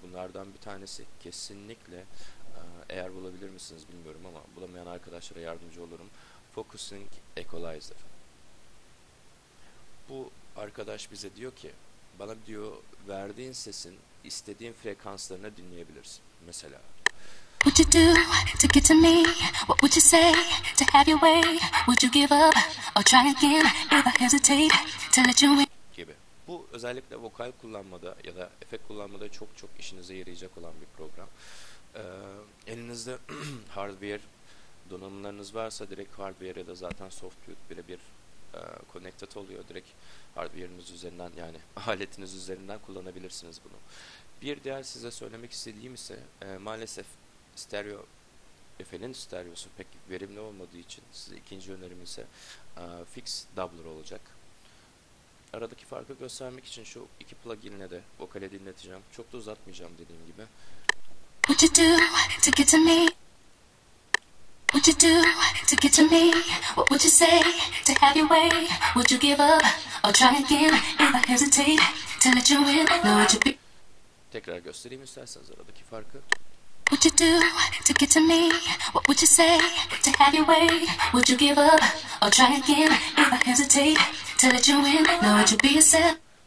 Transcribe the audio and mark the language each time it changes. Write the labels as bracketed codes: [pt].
[tr] Bunlardan bir tanesi kesinlikle, eğer bulabilir misiniz bilmiyorum ama bulamayan arkadaşlara yardımcı olurum, Focusing Equalizer. Bu arkadaş bize diyor ki, bana diyor verdiğin sesin istediğin frekanslarını dinleyebilirsin. [en] Mesela would you do to get to me? What would you say to have your way? Would you give up or try again if I hesitate to let you in? [tr] Bu özellikle vokal kullanmada ya da efekt kullanmada çok çok işinize yarayacak olan bir program. Elinizde hardware donanımlarınız varsa direkt hardware ya da zaten software birebir connected oluyor. Direkt hardware'ınız üzerinden, yani aletiniz üzerinden kullanabilirsiniz bunu. Bir diğer size söylemek istediğim ise maalesef stereo, FL'in stereosu pek verimli olmadığı için size ikinci önerim ise fix doubler olacak. Aradaki farkı göstermek için şu iki plugin'le de vokale dinleteceğim. Çok da uzatmayacağım dediğim gibi. [en] Would you do to get to me? Would you do to get to me? What would you say to have your way? Would you give up or try again if I hesitate to let you in? No, would you be... [tr] Tekrar göstereyim isterseniz aradaki farkı. [en] Would you do to get to me? What would you say to have your way? Would you give up or try again if I hesitate to let you in? No, would you be yourself?